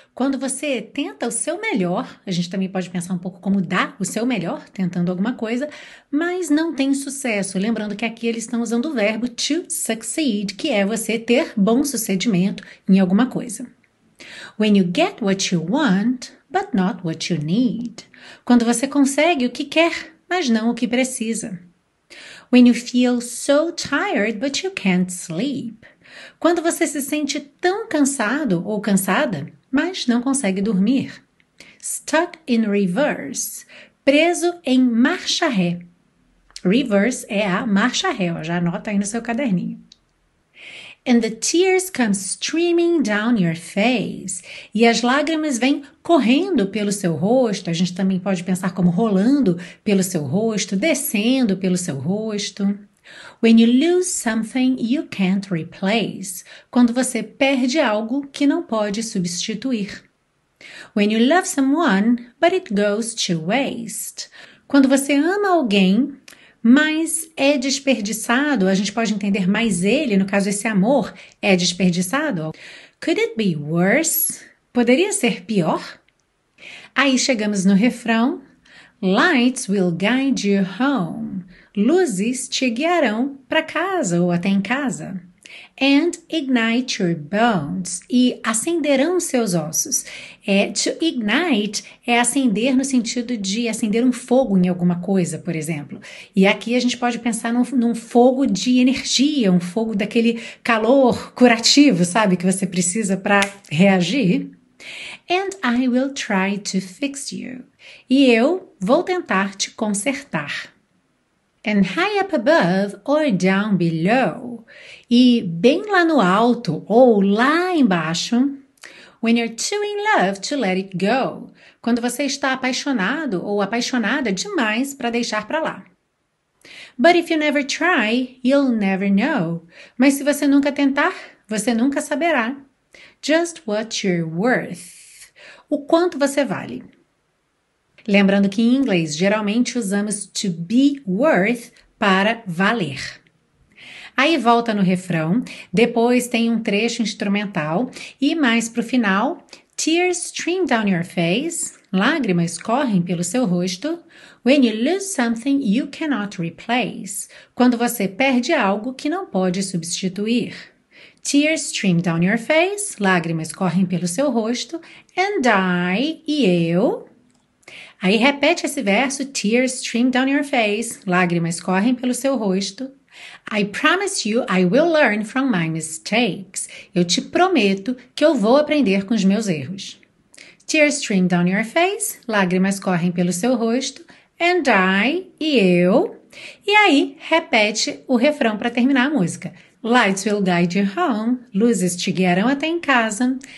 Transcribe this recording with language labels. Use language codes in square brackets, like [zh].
[pt] Quando você tenta o seu melhor, a gente também pode pensar um pouco como dar o seu melhor, tentando alguma coisa, mas não tem sucesso. Lembrando que aqui eles estão usando o verbo to succeed, que é você ter bom sucedimento em alguma coisa. [en] When you get what you want, but not what you need. [pt] Quando você consegue o que quer, mas não o que precisa. [en] When you feel so tired, but you can't sleep. [pt] Quando você se sente tão cansado ou cansada, mas não consegue dormir. Stuck in reverse. Preso em marcha ré. Reverse é a marcha ré, ó, já anota aí no seu caderninho. [en] And the tears come streaming down your face. [pt] E as lágrimas vêm correndo pelo seu rosto. A gente também pode pensar como rolando pelo seu rosto, descendo pelo seu rosto. [en] When you lose something you can't replace. [pt] Quando você perde algo que não pode substituir. [en] When you love someone, but it goes to waste. [pt] Quando você ama alguém, mas é desperdiçado, a gente pode entender mais ele, no caso, esse amor é desperdiçado. Could it be worse? Poderia ser pior? Aí chegamos no refrão. [en] Lights will guide you home. [pt] Luzes te guiarão para casa ou até em casa. [en] And ignite your bones. E acenderão seus ossos. [pt] To ignite é acender no sentido de acender um fogo em alguma coisa, por exemplo. E aqui a gente pode pensar num fogo de energia, um fogo daquele calor curativo, sabe, que você precisa para reagir. [en] And I will try to fix you. E eu vou tentar te consertar. And high up above or down below. [pt] E bem lá no alto ou lá embaixo. [en] When you're too in love to let it go. [pt] Quando você está apaixonado ou apaixonada demais para deixar para lá. [en] But if you never try, you'll never know. [pt] Mas se você nunca tentar, você nunca saberá. Just what you're worth. O quanto você vale. Lembrando que em inglês geralmente usamos to be worth para valer. Aí volta no refrão, depois tem um trecho instrumental e mais para o final: Tears stream down your face, lágrimas correm pelo seu rosto. [en] When you lose something you cannot replace, quando você perde algo que não pode substituir. Tears stream down your face, lágrimas correm pelo seu rosto. [pt] And I, e eu. Aí repete esse verso, tears stream down your face, lágrimas correm pelo seu rosto. [en] I promise you I will learn from my mistakes. [pt] Eu te prometo que eu vou aprender com os meus erros. [en] Tears stream down your face, lágrimas correm pelo seu rosto. [pt] And I, e eu. E aí repete o refrão para terminar a música. [en] Lights will guide you home, luzes te guiarão até em casa.